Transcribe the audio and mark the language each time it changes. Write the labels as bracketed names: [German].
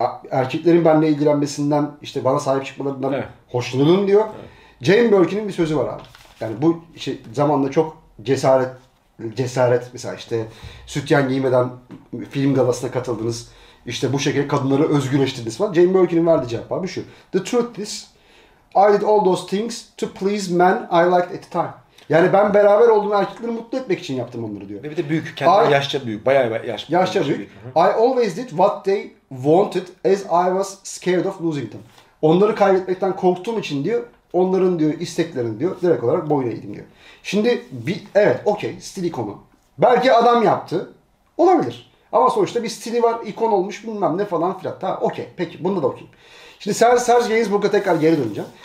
[Turkish] Erkeklerin benimle ilgilenmesinden, işte bana sahip çıkmalarından hoşlanırım diyor. Evet. Jane Birkin'in bir sözü var abi. Yani bu işte zamanla çok cesaret mesela işte sütyen giymeden film galasına katıldınız. İşte bu şekilde kadınları özgürleştirdiniz falan. Jane Birkin'in verdiği cevap abi şu. [English] The truth is, I did all those things to please men I liked at the time. [Turkish] Yani ben beraber olduğum erkekleri mutlu etmek için yaptım onları diyor. Ve bir de büyük. Kendine yaşça büyük. Bayağı yaş. Yaşça büyük. [English] I always did what they wanted as I was scared of losing them. [Turkish] Onları kaybetmekten korktuğum için diyor. Onların diyor isteklerini diyor. Direkt olarak boyun eğdim diyor. Şimdi bir evet okey stil ikonu. Belki adam yaptı. Olabilir. Ama sonuçta bir stili var. İkon olmuş bilmem ne falan filan. Ha okey peki bunda da okuyayım. Şimdi Serge Gainsbourg'a tekrar geri döneceğim.